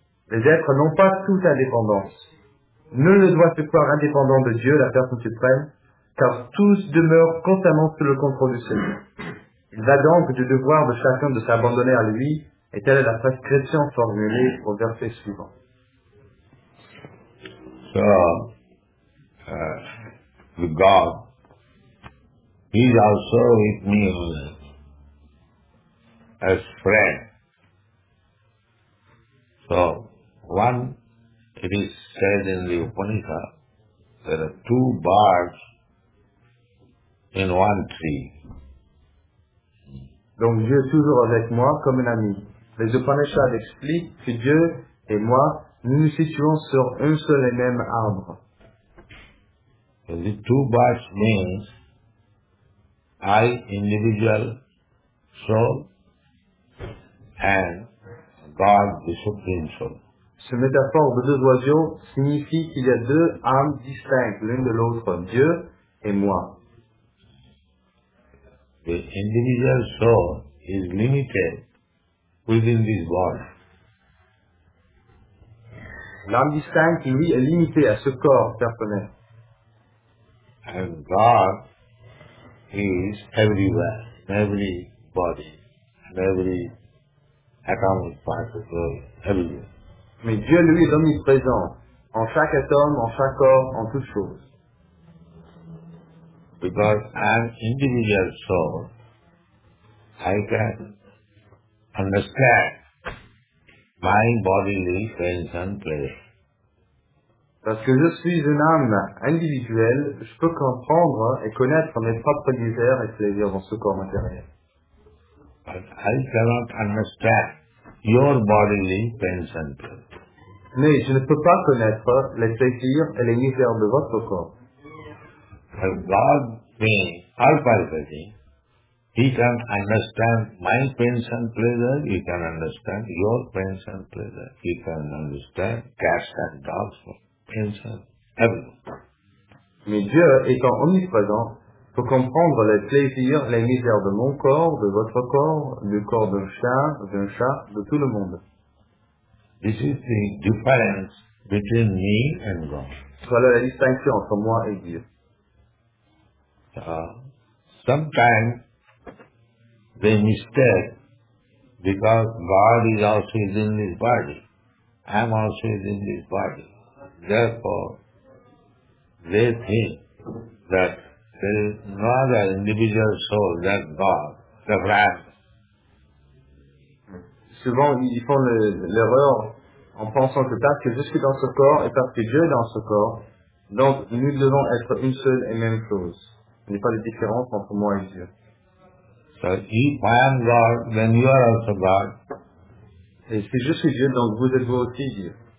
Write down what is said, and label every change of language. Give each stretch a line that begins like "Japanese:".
French: Les êtres n'ont pas toute indépendance. Nul ne doit se croire indépendant de Dieu, la personne suprême, car tous demeurent constamment sous le contrôle du Seigneur. Il va donc du devoir de chacun de s'abandonner à lui, et telle est la prescription formulée au verset suivant.
English: the God, he also with me as friend. So, one, it is said in the Upanishad, there are two birds in one tree.
French: Donc Dieu est toujours avec moi comme un ami. Les Upanishads expliquent que Dieu et moi, nous nous situons sur un seul et même arbre.
English: The two birds means I, individual, soul, and God, the Supreme Soul.
French: Ce métaphore de deux oiseaux signifie qu'il y a deux âmes distinctes l'une de l'autre, Dieu et moi.
English: The individual soul is limited within this body.
French: L'âme distincte, lui, est limitée à ce corps personnel.
English: And God is everywhere, in every body, in every atomic particle, everywhere.
French: Mais Dieu, lui, est omniprésent, en chaque atome, en chaque corps, en toute chose.
English: Because an individual soul, I can understand my bodily sense and pleasure.
French: Parce que je suis une âme individuelle, je peux comprendre et connaître mes propres désirs et plaisirs dans ce corps matériel.
English: But I cannot understand your bodily pains and pleasures.
French: Mais je ne peux pas connaître les plaisirs et les misères de votre corps.
English: But God being all-pervading, he can understand my pains and pleasures, he can understand your pains and pleasures, he can understand cats and dogs.
French: Mais Dieu étant omniprésent peut comprendre les plaisirs, les misères de mon corps, de votre corps, du corps d'un chat, de tout le monde.
English: This is the difference between me and God.
French: Voilà la distinction entre moi et Dieu.
English: Sometimes they mistake because God is also in this body. I'm also in this body. Therefore, they think that there is no other individual soul than God, the Brahman.
French: Souvent, ils font l'erreur en pensant que parce que je suis dans ce corps et parce que Dieu est dans ce corps, donc nous devons être une seule et même chose. Il n'y a pas de différence entre moi et Dieu.
English: So, if I am God, then you are also God.
French: Et si je suis Dieu, donc vous êtes vous aussi Dieu.